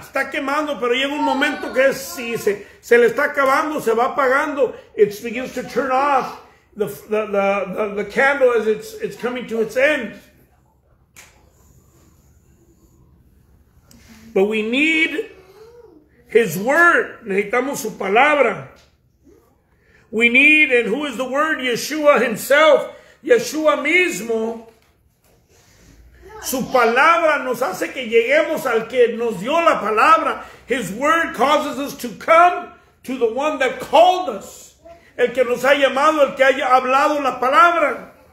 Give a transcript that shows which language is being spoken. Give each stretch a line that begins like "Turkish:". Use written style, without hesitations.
Spanish: Está quemando, pero llega un momento que es, si se le está acabando, se va apagando.
English: It begins to turn off the candle as it's coming to its end. But we need His word.
Spanish: Necesitamos su palabra.
English: We need, and who is the word? Yeshua Himself.
Spanish: Yeshua mismo. Su palabra nos hace que lleguemos al que nos dio la palabra.
English: His word causes us to come to the one that called us.
Spanish: El que nos ha llamado, el que haya hablado la palabra.